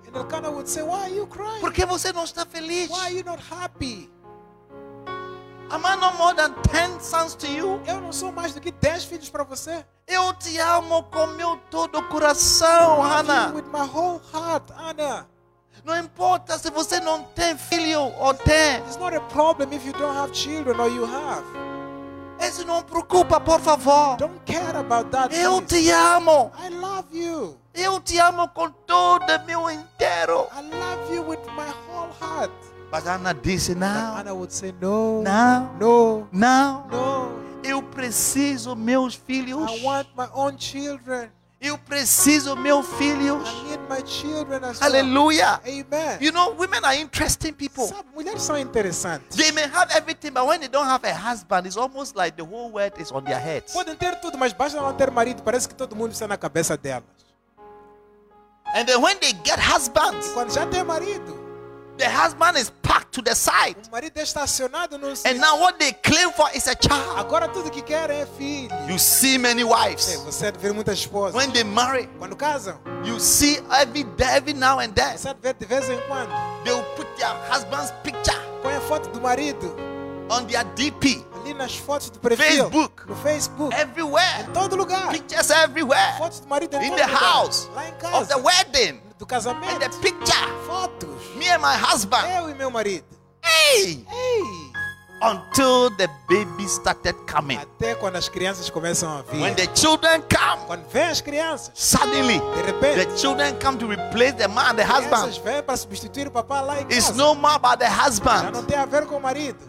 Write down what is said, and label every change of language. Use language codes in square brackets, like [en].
[en] And Elkanah would say, why are you crying? [pt] Por que você não está feliz? [en] Why are you not happy? Am I not more than 10 sons to you? [pt] Eu não sou mais do que 10 filhos para você. Eu te amo com meu todo o coração, Hannah. [en] I love you with my whole heart, Anna. [pt] Não importa se você não tem filho ou tem. [en] It's not a problem if you don't have children or you have. [pt] Isso não preocupa, por favor. [en] Don't care about that. [pt] Eu te amo. [en] I love you. [pt] Eu te amo com todo meu inteiro. [en] I love you with my whole heart. [pt] But Anna disse não. [en] Anna would say no. [pt] Não. [en] No. [pt] Não. [en] No. [pt] Eu preciso meus filhos. [en] I want my own children. [pt] Eu preciso meus filhos. [en] I need my children as Hallelujah. Well. Amen. You know, women are interesting people. [pt] Sabe, mulheres são interessantes. [en] They may have everything, but when they don't have a husband, it's almost like the whole world is on their heads. [pt] Podem ter tudo, mas basta não ter marido, parece que todo mundo está na cabeça delas. [en] And then when they get husbands, [pt] quando já tem marido, [en] the husband is packed to the side. [pt] O marido é estacionado no. [en] And now what they claim for is a child. [pt] Agora tudo que quer é filho. [en] You see many wives. [pt] Você vê muitas esposas. [en] When they marry, [pt] quando casam, [en] you see every now and then. [pt] Você vê de vez em quando. [en] They will put their husband's picture. [pt] Põe a foto do marido. [en] On their DP. [pt] Ali nas fotos do perfil. [en] Facebook. [pt] No Facebook. [en] Everywhere. [pt] Em todo lugar. [en] Pictures everywhere. [pt] Fotos do marido em [en] in [pt] todo [en] the [pt] lugar. [en] House. [pt] Lá em casa. [en] Of the wedding. [pt] Do casamento. [en] And the picture. [pt] Fotos. [en] Me and my husband. [pt] Eu e meu marido. Hey! Hey! [en] Until the baby started coming. [pt] Até quando as crianças começam a vir. [en] When the children come. [pt] Quando vêm as crianças. [en] Suddenly. [pt] De repente. [en] The children come to replace the man, the husband. [pt] As crianças vêm para substituir o papá lá em casa. [en] It's no more about the husband. [pt] Já não tem a ver com o marido.